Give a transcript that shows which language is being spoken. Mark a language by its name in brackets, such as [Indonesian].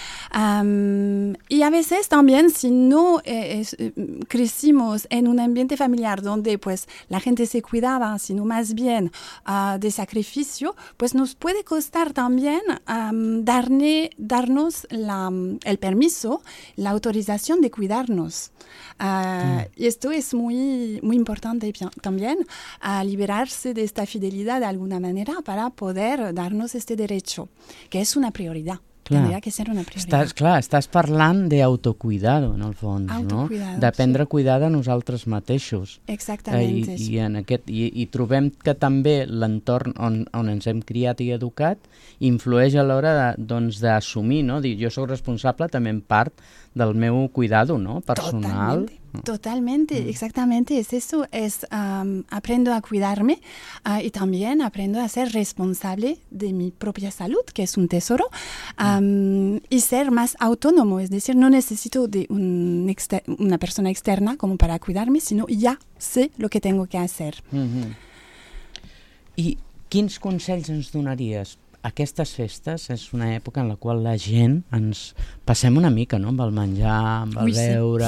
[Spanish] Y a veces también si no crecimos en un ambiente familiar donde pues la gente se cuidaba, sino más bien de sacrificio, pues nos puede costar también darnos el permiso, la autorización de cuidarnos. Y esto es muy, muy importante también, liberarse de esta fidelidad de alguna manera para poder darnos este derecho, que es una prioridad. Tendría que ser una prioridad. [Catalan] Estàs parlant d'autocuidado, en el fons, no? D'aprendre sí. a cuidar de nosaltres mateixos. Exactament. I trobem que també l'entorn on ens hem criat i educat influeix a l'hora d'assumir, no? Dir, jo sóc responsable també en part del meu cuidado, no? Personal. [Spanish] Totalmente. Totalmente, exactamente, es eso, es aprendo a cuidarme y también aprendo a ser responsable de mi propia salud, que es un tesoro, y ser más autónomo, es decir, no necesito de una persona externa como para cuidarme, sino ya sé lo que tengo que hacer. [Catalan] Mm-hmm. ¿Y quins consells ens donaries aquestes festes és una època en la qual la gent ens passem una mica, no?, amb el menjar, amb el beure...